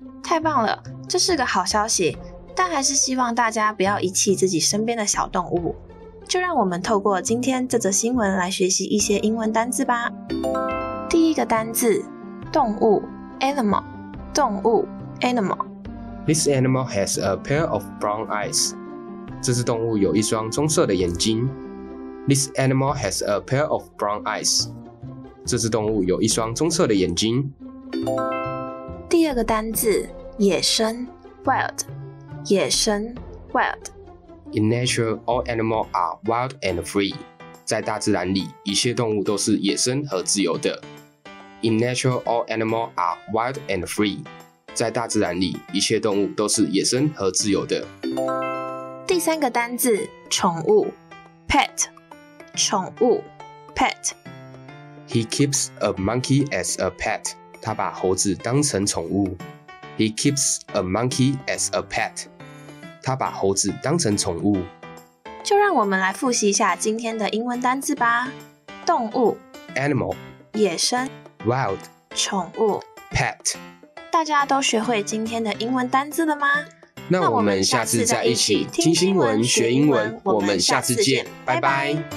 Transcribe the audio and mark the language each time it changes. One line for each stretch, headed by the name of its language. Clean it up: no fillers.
Chinese: 太棒了，这是个好消息，但还是希望大家不要遗弃自己身边的小动物。就让我们透过今天这则新闻来学习一些英文单字吧。第一个单字，动物 animal， 动物 animal。
English: This animal has a pair of brown eyes.
Chinese: 这只动物有一双棕色的眼睛。
English: This animal has a pair of brown eyes.
Chinese: 这只动物有一双棕色的眼睛。第二个单字，野生 ，wild， 野生 ，wild。
English: In nature, all animals are wild and free.
Chinese: 在大自然里，一切动物都是野生和自由的。
English: In nature, all animals are wild and free.
Chinese: 在大自然里，一切动物都是野生和自由的。第三个单字，宠物 ，pet， 宠物 ，pet。
English: He keeps a monkey as a pet.
Chinese: 他把猴子当成宠物。
English: He keeps a monkey as a pet.
Chinese: 他把猴子当成宠物。就让我们来复习一下今天的英文单字吧。动物
English: ，animal，
Chinese: 野生
English: ，wild，
Chinese: 宠物
English: ，pet。
Chinese: 大家都学会今天的英文单字了吗？那我们下次再一起听新闻学英文，我们下次见，拜拜。